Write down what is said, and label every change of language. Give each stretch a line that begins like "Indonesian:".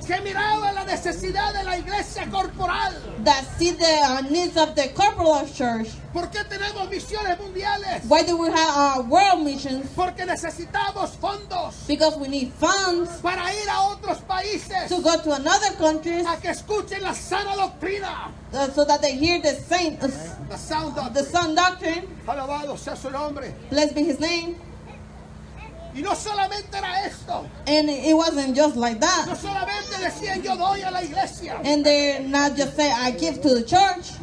Spanish: Que miraba la necesidad de la iglesia corporal.
English: That see the needs of the corporal church.
Spanish: ¿Por qué tenemos misiones mundiales?
English: Why do we have our world missions?
Spanish: Porque necesitamos fondos.
English: Because we need funds.
Spanish: Para ir a otros países.
English: To go to another countries.
Spanish: A que escuchen la sana doctrina.
English: So that they hear the saint. The sound doctrine.
Spanish: Alabado sea su nombre.
English: Blessed be his name.
Spanish: Y no solamente era esto.
English: And it wasn't just like that.
Spanish: No solamente decían yo doy a la iglesia.
English: And they not just say I give to the church.